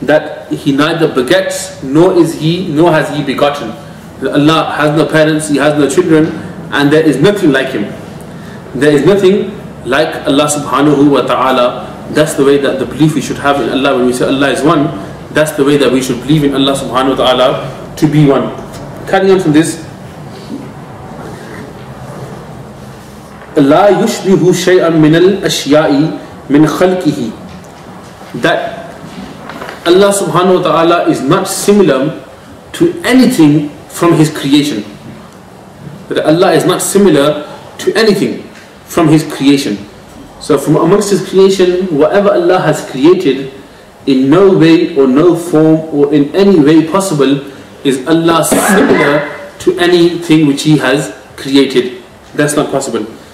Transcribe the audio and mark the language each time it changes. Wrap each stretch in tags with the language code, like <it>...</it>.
<en>That He neither begets, nor has He begotten. Allah has no parents, He has no children, and there is nothing like Him. There is nothing like Allah subhanahu wa ta'ala. That's the way that the belief we should have in Allah. When we say Allah is one, that's the way that we should believe in Allah subhanahu wa ta'ala to be one. Carrying on from this,</en> <ar>لا يشبه شيئا من الأشياء من خلقه.</ar> <en>That Allah subhanahu wa ta'ala is not similar to anything from His creation. That Allah is not similar to anything from His creation. So from amongst His creation, whatever Allah has created, in no way or no form or in any way possible is Allah similar to anything which He has created. That's not possible.</en>